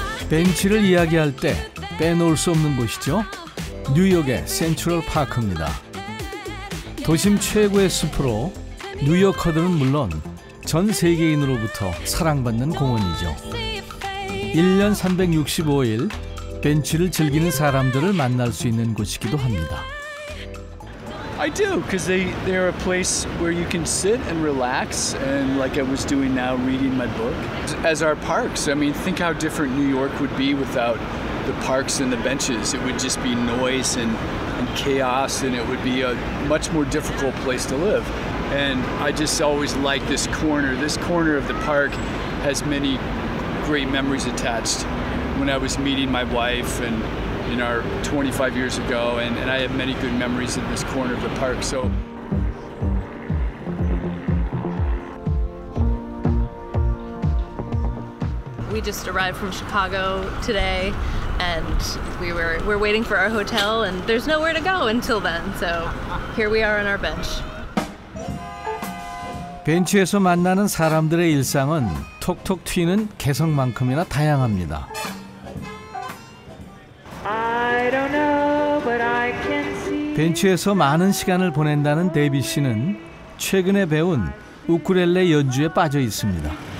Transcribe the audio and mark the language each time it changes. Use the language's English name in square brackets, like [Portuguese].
[Korean] 벤치를 이야기할 때 빼놓을 수 없는 곳이죠. 뉴욕의 센트럴 파크입니다. 도심 최고의 숲으로 뉴욕커들은 물론 전 세계인으로부터 사랑받는 공원이죠. 1년 365일 벤치를 즐기는 사람들을 만날 수 있는 곳이기도 합니다. [English] I do, because they are a place where you can sit and relax, and like I was doing now, reading my book. As our parks, I mean, think how different New York would be without the parks and the benches. It would just be noise and chaos, and it would be a much more difficult place to live. And I just always like this corner. This corner of the park has many great memories attached. When I was meeting my wife and in our 25 years ago, and I have many good memories in this corner of the park, so. We just arrived from Chicago today, and we're waiting for our hotel, and there's nowhere to go until then, so here we are on our bench. [Korean] 벤치에서 만나는 사람들의 일상은 톡톡 튀는 개성만큼이나 다양합니다. [English] I don't know, but I can see. [Korean] 벤치에서 많은 시간을 보낸다는 데이비 씨는 최근에 배운 우쿨렐레 연주에 빠져 있습니다.